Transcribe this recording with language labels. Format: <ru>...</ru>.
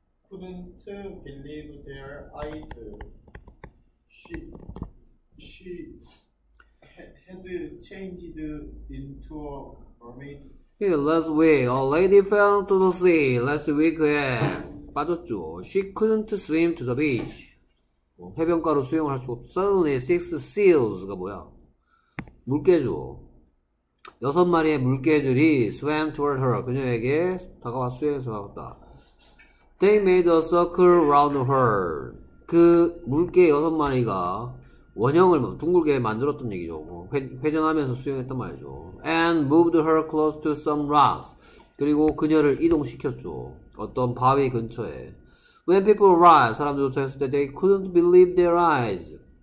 <en>couldn't believe their eyes. She had changed into a mermaid. Yeah, last week, a lady fell into the sea. Last week, yeah. She couldn't swim to the beach.</en> <ko>뭐, 해변가로 수영을 할 수 없어.</ko> <en>Suddenly, six seals</en> <ko>가 뭐야? 물개죠. 여섯 마리의 물개들이</ko> <en>swam toward her.</en> <ko>그녀에게 다가와 수영해서 갔다.</ko> <en>They made a circle round her.</en> <ko>그 물개 여섯 마리가 원형을 둥글게 만들었던 얘기죠. 회전하면서 수영했단 말이죠.</ko> <en>And moved her close to some rocks.</en> <ko>그리고 그녀를 이동시켰죠. 어떤 바위 근처에.</ko> <en>When people arrived,</en> <ko>사람들 도착했을 때</ko> <en>they couldn't believe their eyes.</en>